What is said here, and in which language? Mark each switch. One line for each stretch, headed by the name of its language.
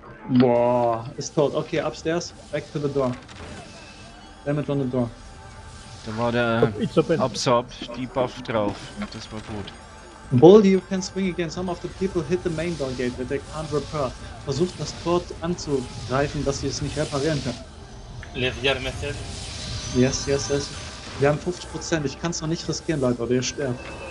English: Boah, it's tot. Okay, upstairs, back to the door. Damage on the door.
German: Da war der Absorb, Debuff drauf, das war gut.
English: Boldy, you can swing again. Some of the people hit the main door gate, but they can't repair.
German: Versucht das Tor anzugreifen, dass sie es nicht reparieren können. Leviar Method.
English: Yes, yes, yes.
German: Wir haben 50%. Ich kann es noch nicht riskieren, Leute, oder ihr sterbt.